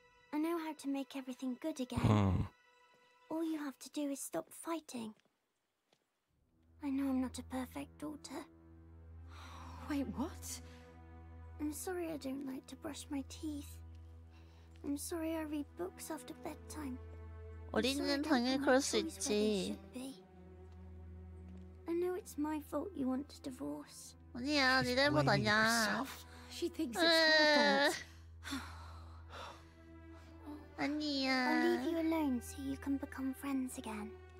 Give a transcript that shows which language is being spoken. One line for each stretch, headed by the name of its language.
English: I know how to make everything good again. All you have to do is stop fighting. I know I'm not a perfect daughter. Wait, what? I'm sorry I don't like to brush my teeth. I'm sorry I read books after bedtime.
Korean: 어린이는 당연히 그럴 수 있지.
English: I know it's my fault you want to divorce.
Korean: 아니야, 네 잘못 아니야.
English: She thinks it's her fault.
Korean: 아니야.
English: I'll leave you alone so you can become friends again.